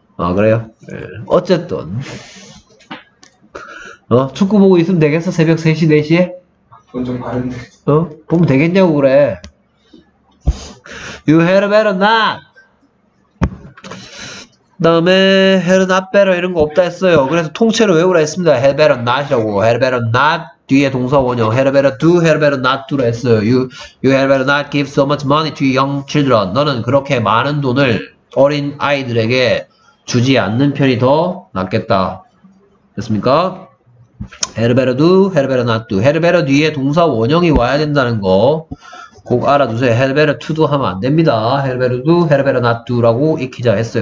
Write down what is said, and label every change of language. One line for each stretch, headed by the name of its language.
Korean: 아 그래요? 네. 어쨌든 어? 축구 보고 있으면 되겠어? 새벽 3시 4시에? 돈 좀 많은데. 어? 보면 되겠냐고 그래.
English: You had better not.
Korean: 다음에
English: had not better
Korean: 이런 거 없다 했어요. 그래서 통째로 외우라 했습니다.
English: Had better not이라고. Had better not
Korean: 뒤에 동사 원형
English: had better do, had better not do
Korean: 라 했어요.
English: You had better not give so much money to young children.
Korean: 너는 그렇게 많은 돈을 어린 아이들에게 주지 않는 편이 더 낫겠다. 됐습니까? 헤르베르 두, 헤르베르 낫 두. 헤르베르 뒤에 동사 원형이 와야 된다는 거 꼭 알아두세요. 헤르베르 투도 하면 안 됩니다. 헤르베르 두, 헤르베르 낫 두라고 익히자 했어요.